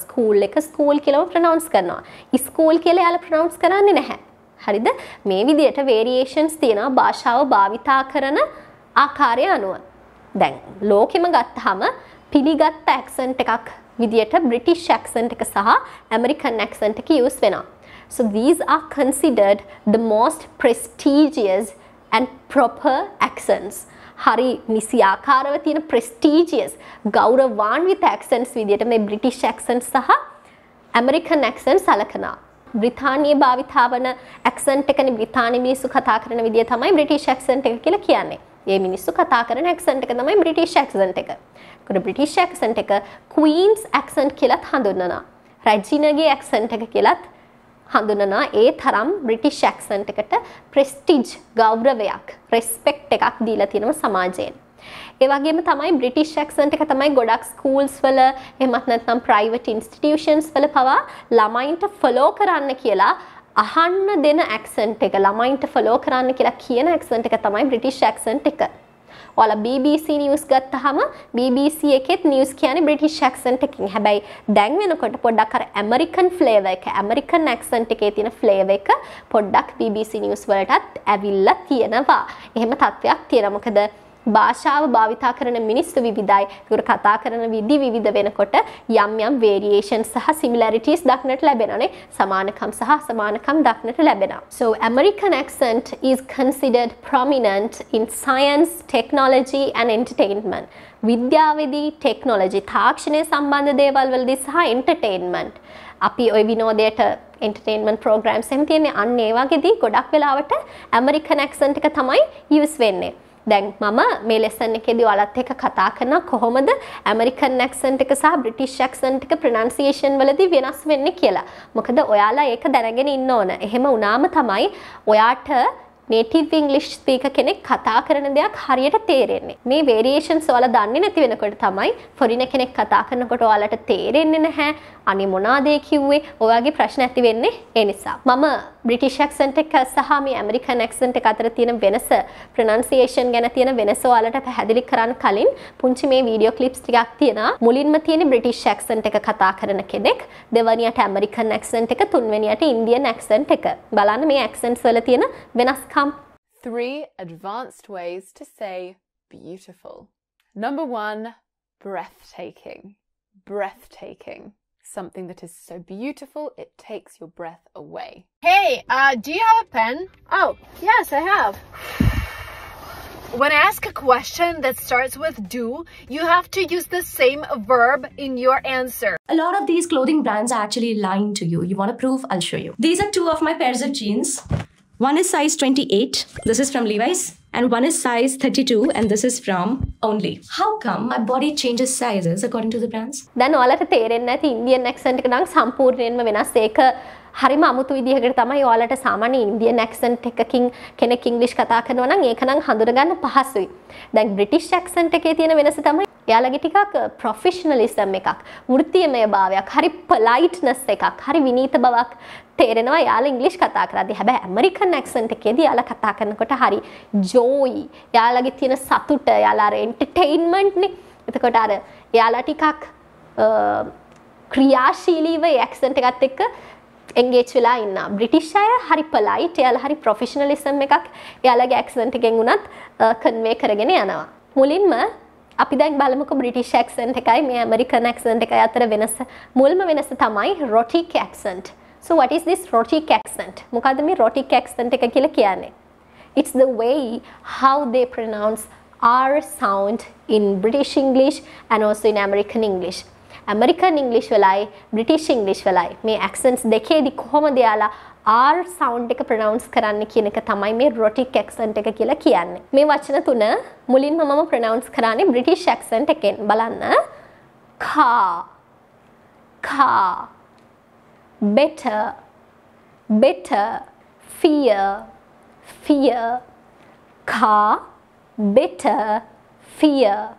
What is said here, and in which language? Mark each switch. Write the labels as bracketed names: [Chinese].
[Sinhala] School එක school කියලා ප්‍රනවුන්ස් කරනවා. ස්කූල් කියලා එයාලා ප්‍රනවුන්ස් කරන්නේ නැහැ. හරිද? මේ විදිහට වේරියේෂන්ස් තියෙනවා භාෂාව භාවිතා කරන ආකාරය අනුව. දැන් ලෝකෙම ගත්තාම පිළිගත් ඇක්සන්ට් එකක් විදියට බ්‍රිටිෂ් ඇක්සන්ට් එක සහ ඇමරිකන් ඇක්සන්ට් එක යූස් වෙනවා. [English] So these are considered the most prestigious and proper accents. [Sinhala] Hari nisiyakarawa thiyena prestigious gauravanwith accents widiyata me British accents saha American accents alakana. Britaniya bavithawana accent ekani Britani minissu katha karana widiya thamai British accent ekak kiyala kiyanne. E minissu katha karana accent ekak thamai British accent ekak. Ekora British accent ekak Queen's accent kiyalath handunnana. Regina ge accent ekak kiyalath හඳුනනවා. ඒ තරම් British accent එකට prestige, ගෞරවයක්, respect එකක් දීලා තියෙනවා සමාජයෙන්. ඒ වගේම තමයි British accent එක තමයි ගොඩක් ස්කූල්ස් වල, එහෙමත් නැත්නම් ප්‍රයිවට් ඉන්ස්ටිටියුෂන්ස් වල පවා ළමයින්ට ෆලෝ කරන්න කියලා අහන්න දෙන ඇක්සන්ට් එක, ළමයින්ට ෆලෝ කරන්න කියලා කියන ඇක්සන්ට් එක තමයි බ්‍රිටිෂ් ඇක්සන්ට් එක. ඔයාලා BBC නිවුස් ගත්තහම BBC එකෙත් නිවුස් කියන්නේ බ්‍රිටිෂ් ඇක්සන්ට් එකකින්. හැබැයි දැන් වෙනකොට පොඩ්ඩක් අර ඇමරිකන් ෆ්ලේවර් එක, ඇමරිකන් ඇක්සන්ට් එකේ තියෙන ෆ්ලේවර් එක පොඩ්ඩක් BBC නිවුස් වලටත් ඇවිල්ලා තියෙනවා. එහෙම තත්ත්වයක් තියෙනවා. මොකද භාෂාව භාවිතා කරන මිනිස්සු විවිධයි. ඒක කතා කරන විදි විවිධ වෙනකොට යම් යම් variation සහ similarities දක්නට ලැබෙනවානේ. සමානකම් සහ අසමානකම් දක්නට ලැබෙනවා. [English] So American accent is considered prominent in science, technology and entertainment. [Sinhala] විද්‍යාවේදී, technology, තාක්ෂණය සම්බන්ධ දේවල් වලදී සහ entertainment. අපි ওই විනෝදයට entertainment programs එහෙම තියන්නේ අන්න ඒ වගේදී ගොඩක් වෙලාවට American accent එක තමයි use වෙන්නේ. දැන් මම මේ ලෙසන් එකේදී ඔයාලත් එක්ක කතා කරන කොහොමද ඇමරිකන් ඇක්සන්ට් එක සහ බ්‍රිටිෂ් ඇක්සන්ට් එක ප්‍රොනන්සියේෂන් වලදී වෙනස් වෙන්නේ කියලා. මොකද ඔයාලා ඒක දැනගෙන ඉන්න ඕන. එහෙම වුණාම තමයි ඔයාට නේටිව් ඉංග්ලිෂ් ස්පීකර් කෙනෙක් කතා කරන දෙයක් හරියට තේරෙන්නේ. මේ වේරියේෂන්ස් ඔයාලා දන්නේ නැති වෙනකොට තමයි ෆොරින කෙනෙක් කතා කරනකොට ඔයාලට තේරෙන්නේ නැහැ අනේ මොනාද ඒ කිව්වේ, ඔයාගේ ප්‍රශ්න ඇති වෙන්නේ ඒ නිසා. මම බ්‍රිටිෂ් ඇක්සන්ට් එක සහ මේ ඇමරිකන් ඇක්සන්ට් එක අතර තියෙන වෙනස, ප්‍රොනන්සියේෂන් ගැන තියෙන වෙනස ඔයාලට පැහැදිලි කරන්න කලින් පුංචි මේ වීඩියෝ ක්ලිප්ස් ටිකක් තියෙනවා. මුලින්ම තියෙන්නේ බ්‍රිටිෂ් ඇක්සන්ට් එක කතා කරන කෙනෙක්, දෙවනියට ඇමරිකන් ඇක්සන්ට් එක, තුන්වෙනියට ඉන්දියන් ඇක්සන්ට් එක. බලන්න මේ ඇක්සන්ට්ස් වල තියෙන වෙනස්කම්. [English] 3 advanced ways to say beautiful. Number 1, breathtaking. Breathtaking. Something that is so beautiful, it takes your breath away. Hey, do you have a pen? Oh, yes, I have. When I ask a question that starts with do, you have to use the same verb in your answer. A lot of these clothing brands are actually lying to you. You want a proof? I'll show you. These are two of my pairs of jeans. One is size 28. This is from Levi's. And one is size 32, and this is from Only. How come my body changes sizes according to the brands? [Sinhala] Then ඔයාලට තේරෙන්නේ නැති Indian accent එක නම් සම්පූර්ණයෙන්ම වෙනස්. ඒක හරිම අමුතු විදිහකට තමයි ඔයාලට සාමාන්‍ය ඉන්දියන් ඇක්සන්ට් එකකින් කෙනෙක් ඉංග්‍රීසි කතා කරනවා නම් ඒක නම් හඳුනගන්න පහසුයි. දැන් බ්‍රිටිෂ් ඇක්සන්ට් එකේ තියෙන වෙනස තමයි එයාලගේ ටිකක් ප්‍රොෆෙෂනලිසම් එකක්, වෘත්තීයමය භාවයක්, හරි පොලයිට්නස් එකක්, හරි විනීත බවක් තේරෙනවා එයාලා ඉංග්‍රීසි කතා කරද්දී. හැබැයි ඇමරිකන් ඇක්සන්ට් එකේදී එයාලා කතා කරනකොට හරි ජෝයි, එයාලගේ තියෙන සතුට, එයාලා අර එන්ටර්ටේන්මන්ට්නේ. එතකොට අර එයාලා ටිකක් ක්‍රියාශීලීව ඇක්සන්ට් එකත් එක්ක එංගේජ් වෙලා ඉන්නා. බ්‍රිටිෂ් අය හරි පොලයිට්, එයාලා හරි ප්‍රොෆෙෂනලිසම් එකක් එයාලගේ ඇක්සන්ට් එකෙන් වුණත් කන්වේ කරගෙන යනවා. මුලින්ම අපි දැන් බලමුකෝ බ්‍රිටිෂ් ඇක්සන්ට් එකයි මේ ඇමරිකන් ඇක්සන්ට් එකයි අතර වෙනස. මුල්ම වෙනස තමයි රොටික් accent. [English] So what is this rhotic accent? [Sinhala] මොකද මේ rhotic accent එක කියලා කියන්නේ? [English] It's the way how they pronounce R sound in British English and also in American English. [Sinhala] American English වලයි British English වලයි මේ accents දෙකේදී කොහොමද යාලා R sound එක pronounce කරන්න කියන එක තමයි මේ rhotic accent එක කියලා කියන්නේ. මේ වචන තුන මුලින්ම මම pronounce කරන්නේ British accent එකෙන්. [English] බලන්න. Car. Car. Better. Better. Fear. Fear. Car. Better. Fear.